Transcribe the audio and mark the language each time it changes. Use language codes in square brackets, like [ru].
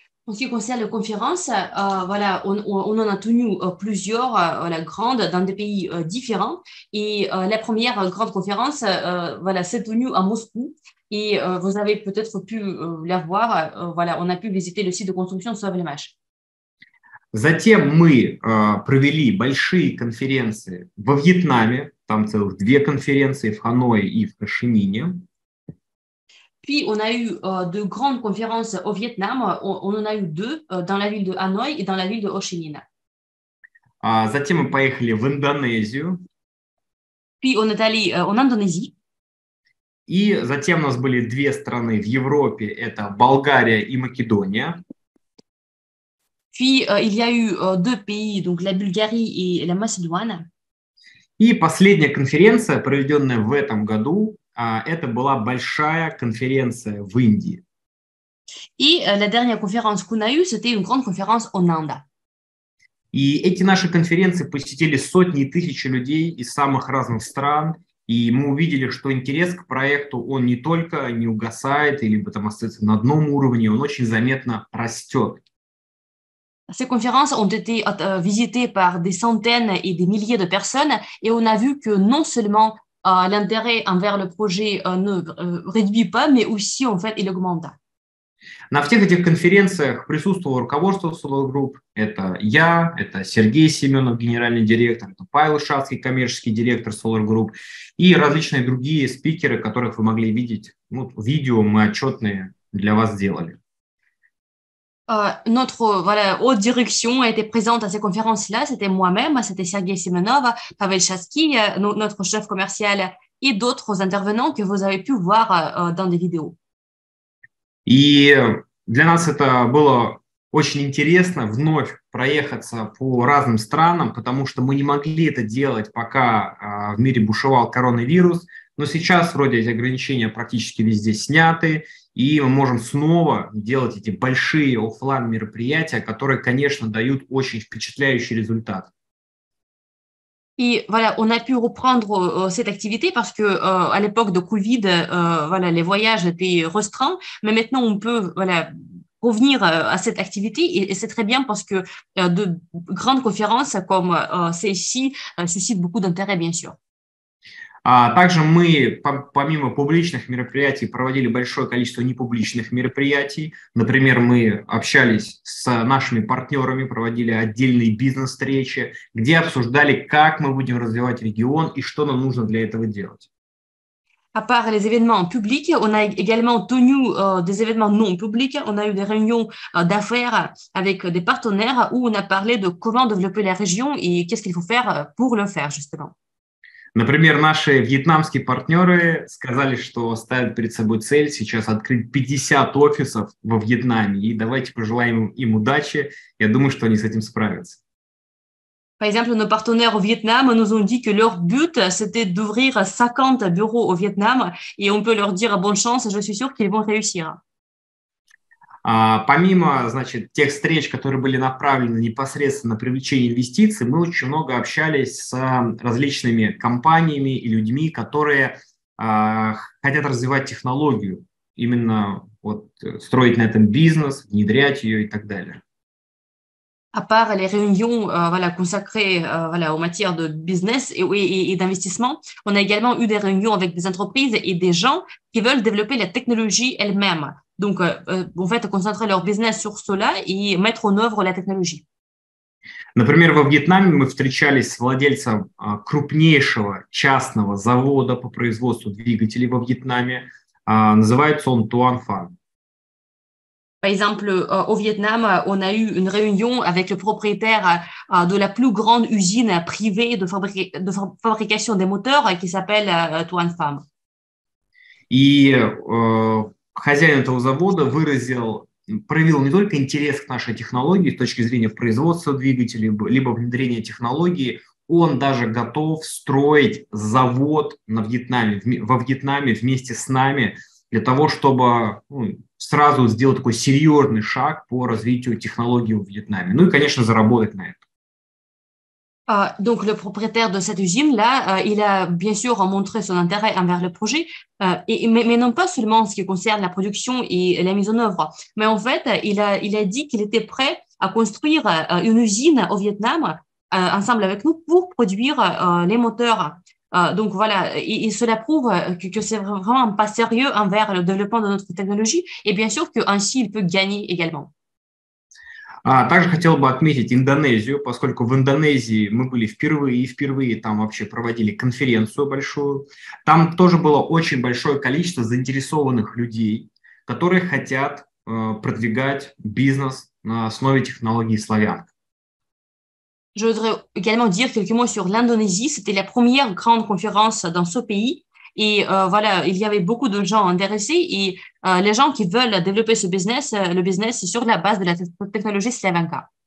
[fr] En ce qui concerne les conférences, voilà, on en a tenu plusieurs voilà, grandes dans des pays différents. Et la première grande conférence voilà, s'est tenue à Moscou. Et vous avez peut-être pu la voir. Voilà, on a pu visiter le site de construction Sublimash. [ru] Затем мы провели большие конференции во Вьетнаме. Там целых две конференции в Ханое и в Хошимине. [fr] Puis on a eu de grandes conférences au Vietnam. On en a eu deux dans la ville de Hanoï et dans la ville de Ho Chi Minh. [ru] Затем мы поехали в Индонезию. [fr] Puis on est allé en Indonésie. [ru] И затем у нас были две страны в Европе. Это Болгария и Македония. [fr] Puis il y a eu deux pays, donc la Bulgarie et la Macédoine. [ru] И последняя конференция, проведенная в этом году. Это была большая конференция в Индии. И [fr] la dernière conférence qu'on a eu, c'était une grande conférence en Inde. [ru] И эти наши конференции посетили сотни и тысячи людей из самых разных стран, и мы увидели, что интерес к проекту, он не только не угасает, или там остается на одном уровне, он очень заметно растет. [fr] Ces conférences ont été visitées par des centaines et des milliers de personnes, et on a vu que non seulement l'intérêt envers le projet ne réduit pas, mais aussi, en fait, il augmente. [ru] На всех этих конференциях присутствовало руководство Solar Group. Это я, это Сергей Семенов, генеральный директор, это Павел Шацкий, коммерческий директор Solar Group, и различные другие спикеры, которых вы могли видеть. Ну, видео мы отчетные для вас сделали. [fr] Notre voilà, haute direction a été présente à ces conférences-là, c'était moi-même, c'était Sergei Semenov, Pavel Chatsky, notre chef commercial et d'autres intervenants que vous avez pu voir dans des vidéos. [ru] И для нас это было очень интересно вновь проехаться по разным странам, потому что мы не могли это делать, пока в мире бушевал коронавирус, но сейчас вроде эти ограничения практически везде сняты. И мы можем снова делать эти большие офлайн мероприятия, которые, конечно, дают очень впечатляющий результат. И, [fr] voilà, on a pu reprendre cette activité parce que à l'époque de Covid, voilà, les voyages étaient restreints, mais maintenant on peut, voilà, revenir à cette activité et c'est très bien parce que de grandes conférences comme celle-ci suscitent beaucoup d'intérêt, bien sûr. [ru] Также мы, помимо публичных мероприятий, проводили большое количество непубличных мероприятий. Например, мы общались с нашими партнерами, проводили отдельные бизнес-встречи, где обсуждали, как мы будем развивать регион и что нам нужно для этого делать. [fr] À part les événements publics, on a également tenu des événements non publics. On a eu des réunions d'affaires avec des partenaires où on a parlé de comment développer la région et qu'est-ce qu'il faut faire pour le faire, justement. [ru] Например, наши вьетнамские партнеры сказали, что ставят перед собой цель сейчас открыть 50 офисов во Вьетнаме. И давайте пожелаем им удачи. Я думаю, что они с этим справятся. [fr] Par exemple, nos partenaires au Vietnam nous ont dit que leur but c'était d'ouvrir 50 bureaux au Vietnam, [ru] и [fr] on peut leur dire bonne chance, je suis sûr qu'ils vont réussir. [ru] Помимо, значит, тех встреч, которые были направлены непосредственно на привлечение инвестиций, мы очень много общались с различными компаниями и людьми, которые хотят развивать технологию, именно вот, строить на этом бизнес, внедрять ее и так далее. [fr] À part les réunions voilà, consacrées voilà, aux matières de business et d'investissement, on a également eu des réunions avec des entreprises et des gens qui veulent développer la technologie elle-même. Donc, en fait, concentrer leur business sur cela et mettre en œuvre la technologie. [ru] Например, во Вьетнаме мы встречались с владельцем крупнейшего частного завода по производству двигателей во Вьетнаме. Называется он Туан Фан. [fr] Par exemple, au Vietnam, on a eu une réunion avec le propriétaire de la plus grande usine privée de fabrication des moteurs qui s'appelle Tuan Pham. [ru] И хозяин этого завода выразил проявил не только интерес к нашей технологии с точки зрения производства двигателей, либо внедрения технологии, он даже готов строить завод во Вьетнаме вместе с нами для того, чтобы сразу сделать такой серьезный шаг по развитию технологий в Вьетнаме. Ну и, конечно, заработать на этом. [fr] Donc, le propriétaire de cette usine-là, il a bien sûr montré son intérêt envers le projet, mais non pas seulement en ce qui concerne la production et la mise en œuvre, mais en fait, il a dit qu'il était prêt à construire une usine au Vietnam ensemble avec nous pour produire les moteurs. Donc, voilà, et cela prouve que c'est vraiment un pas sérieux envers le développement de notre technologie et bien sûr qu'ainsi, il peut gagner également. [ru] Также хотел бы отметить Индонезию, поскольку в Индонезии мы были впервые и впервые там вообще проводили конференцию большую. Там тоже было очень большое количество заинтересованных людей, которые хотят продвигать бизнес на основе технологии «Славянка». [fr] Je voudrais également dire quelques mots sur l'Indonésie. C'était la première grande conférence dans ce pays. Et voilà, il y avait beaucoup de gens intéressés. Et les gens qui veulent développer ce business, le business, c'est sur la base de la technologie Slavanka.